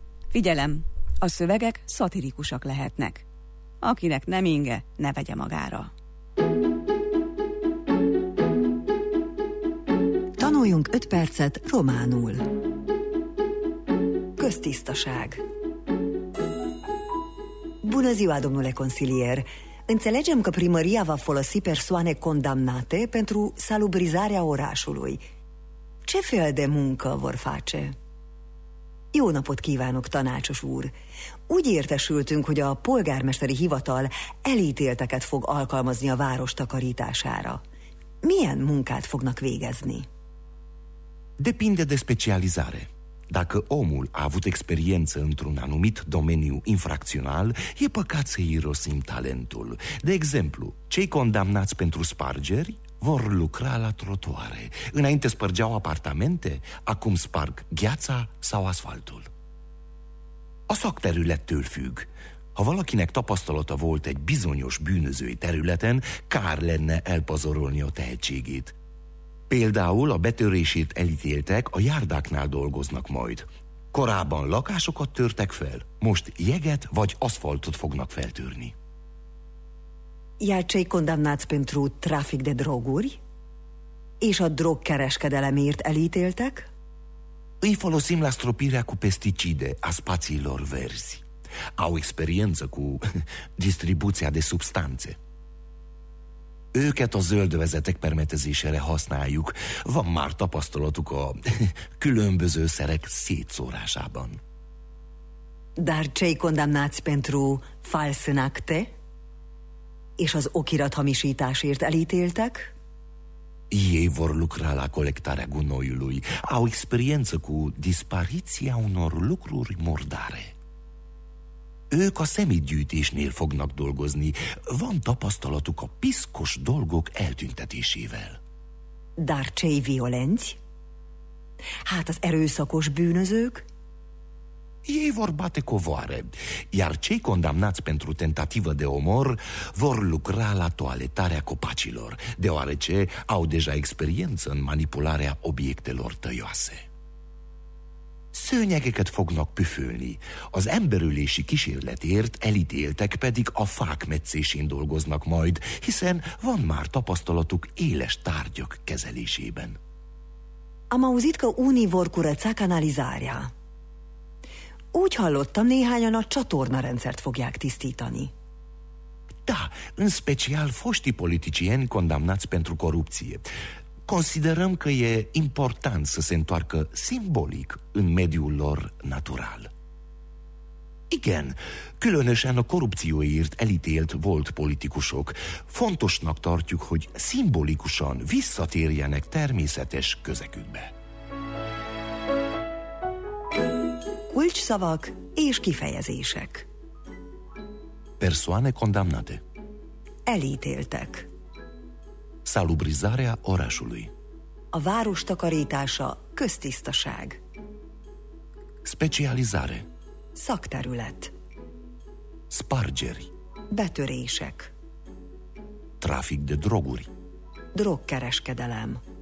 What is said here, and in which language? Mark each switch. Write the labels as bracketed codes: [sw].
[hu] Figyelem, a szövegek szatirikusak lehetnek. Akinek nem inge, ne vegye magára. Tanuljunk 5 percet románul. Köztisztaság. [ro] Bună ziua, domnule consilier. Înțelegem că primăria va folosi persoane condamnate pentru salubrizarea orașului. Ce fel de muncă vor face? [hu] Jó napot kívánok, tanácsos úr! Úgy értesültünk, hogy a polgármesteri hivatal elítélteket fog alkalmazni a város takarítására. Milyen munkát fognak végezni? [ro] Depinde de specializare. Dacă omul a avut experiență într-un anumit domeniu infracțional, e păcat să irosim talentul. De exemplu, cei condamnați pentru spargeri vor lucra la trotuare. Înainte spărgeau apartamente, acum sparg gheața sau asfaltul. [hu] A szakterülettől függ. Ha valakinek tapasztalata volt egy bizonyos bűnözői területen, kár lenne elpazarolni a tehetségét. Például a betörését elítéltek, a járdáknál dolgoznak majd. Korábban lakásokat törtek fel, most jeget vagy aszfaltot fognak feltörni. [ro] Jár cei condamnați pentru trafic de droguri? [hu] És a drogkereskedelemért elítéltek? [ro] Îi folosim la stropirea cu pesticide a spațiilor verzi. Au experiență cu distribuția de substanțe. [hu] Őket a zöldövezetek permetezésére használjuk. Van már tapasztalatuk a különböző szerek szétszórásában. [ro] Dar cei condamnați pentru false acte? [hu] És az okirat hamisításért elítéltek? [ro] Ei vor lucra la colectarea gunoiului. Au experiență cu dispariția unor lucruri murdare. [hu] Ők a szemétgyűjtésnél fognak dolgozni. Van tapasztalatuk a piszkos dolgok eltüntetésével. [ro] Dar cei violenți? [hu] Hát az erőszakos bűnözők? [ro] Ei vor bate covoare, iar cei condamnați pentru tentativă de omor vor lucra la toaletarea copacilor, deoarece au deja experiență în manipularea obiectelor tăioase. [hu] Szőnyegeket fognak püfölni. Az emberülési kísérletért elítéltek pedig a fák metszésén dolgoznak majd, hiszen van már tapasztalatuk éles tárgyak kezelésében. [ro] Am auzit că unii vor curăța canalizarea. [hu] Úgy hallottam, néhányan a csatornarendszert fogják tisztítani. [ro] Da, în special foști politicieni condamnați pentru corupție. Considerăm că e important să se întoarcă simbolic în mediul lor natural. [hu] Igen, különösen a korrupcióért elítélt volt politikusok. Fontosnak tartjuk, hogy szimbolikusan visszatérjenek természetes közegükbe. Kulcsszavak és kifejezések. [ro] Persoane condamnate. [hu] Elítéltek. [ro] Salubrizarea orașului. [hu] A város takarítása, köztisztaság. [ro] Specializare. [hu] Szakterület. [ro] Spargeri. [hu] Betörések. [ro] Trafic de droguri. [hu] Drogkereskedelem.